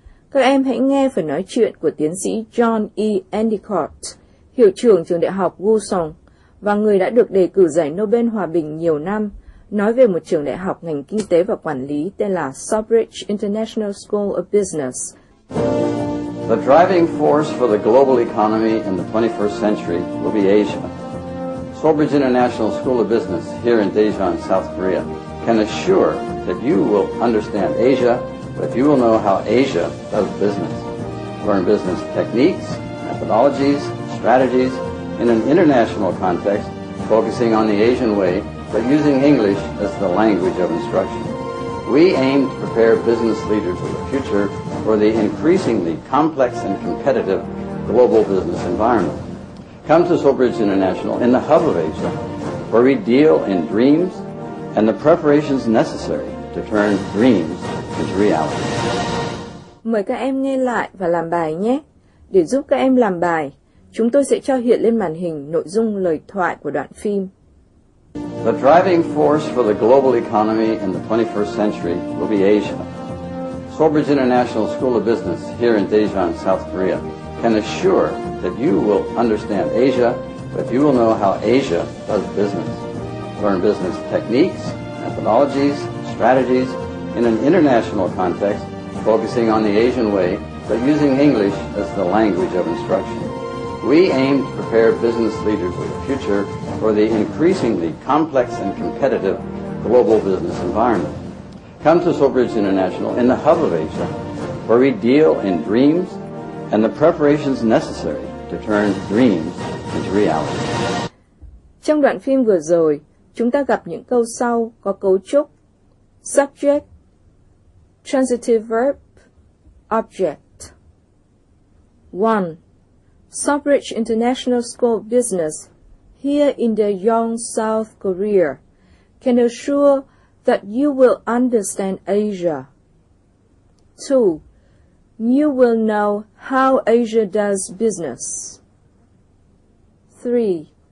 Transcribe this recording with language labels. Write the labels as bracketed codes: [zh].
[vi] Các em hãy nghe phần nói chuyện của tiến sĩ John E. Endicott, hiệu trưởng trường đại học Wusong và người đã được đề cử giải Nobel Hòa Bình nhiều năm, nói về một trường đại học ngành kinh tế và quản lý tên là Southbridge International School of Business. [en] The driving force for the global economy in the 21st century will be Asia. Solbridge International School of Business here in Daejeon, South Korea, can assure that you will understand Asia, but you will know how Asia does business. Learn business techniques, methodologies, strategies in an international context, focusing on the Asian way, but using English as the language of instruction. We aim to prepare business leaders for the future for the increasingly complex and competitive global business environment. Come to Solbridge International in the hub of Asia, where we deal in dreams and the preparations necessary to turn dreams into reality. [vi] Mời các em nghe lại và làm bài nhé. Để giúp các em làm bài, chúng tôi sẽ cho hiện lên màn hình nội dung lời thoại của đoạn phim. [en] The driving force for the global economy in the 21st century will be Asia. Solbridge International School of Business here in Daejeon, South Korea, can assure that you will understand Asia, but you will know how Asia does business. Learn business techniques, methodologies, strategies in an international context, focusing on the Asian way, but using English as the language of instruction. We aim to prepare business leaders for the future for the increasingly complex and competitive global business environment. Come to Solbridge International in the hub of Asia, where we deal in dreams and the preparations necessary to turn dreams into reality. [vi] Trong đoạn phim vừa rồi, chúng ta gặp những câu sau có cấu trúc [en] subject, transitive verb, object. 1. Solbridge International School of Business here in Daejeon, South Korea can assure that you will understand Asia. 2. You will know how Asia does business. 3.